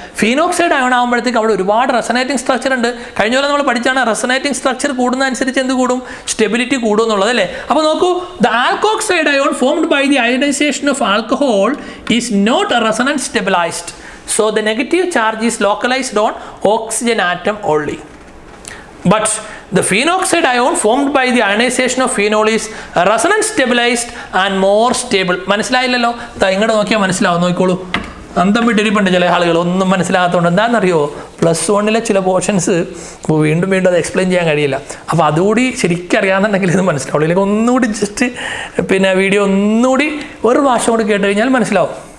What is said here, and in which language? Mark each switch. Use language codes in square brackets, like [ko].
[ml] Phenoxide ion ആകുമ്പോഴത്തേക്ക് അവിടെ ഒരുപാട് റെസൊണേറ്റിംഗ് സ്ട്രക്ചർ ഉണ്ട്. കഴിഞ്ഞ പോലെ നമ്മൾ പഠിച്ചാണ് റെസൊണേറ്റിംഗ് സ്ട്രക്ചർ കൂടുന്നതനുസരിച്ച് എന്ത് കൂടും? സ്റ്റെബിലിറ്റി കൂടുന്നുള്ളത് അല്ലേ. അപ്പോൾ നോക്കൂ, [en] The alkoxide ion formed by the ionization of alcohol is not resonance stabilized. So the negative charge is localized on oxygen atom only. But the phenoxide ion formed by the ionization of phenol is resonance stabilized and more stable. [ml] മനസ്സിലായില്ലോ? ദാ ഇങ്ങോട്ട് നോക്കിയാൽ മനസ്സിലാവും. നോക്കിക്കോളൂ, അന്തം വിട്ടിരിപ്പുണ്ട് ചില ആളുകൾ, ഒന്നും മനസ്സിലാകാത്തതുകൊണ്ട്. എന്താണെന്നറിയോ, പ്ലസ് വണ്ണിലെ ചില പോർഷൻസ് വീണ്ടും വീണ്ടും അത് എക്സ്പ്ലെയിൻ ചെയ്യാൻ കഴിയില്ല. അപ്പോൾ അതുകൂടി ശരിക്കറിയാമെന്നുണ്ടെങ്കിൽ ഇത് മനസ്സിലാവും. ഇല്ലെങ്കിൽ ഒന്നുകൂടി ജസ്റ്റ് പിന്നെ വീഡിയോ ഒന്നുകൂടി ഒരു പ്രാവശ്യം കൂടി കേട്ട് കഴിഞ്ഞാൽ മനസ്സിലാവും.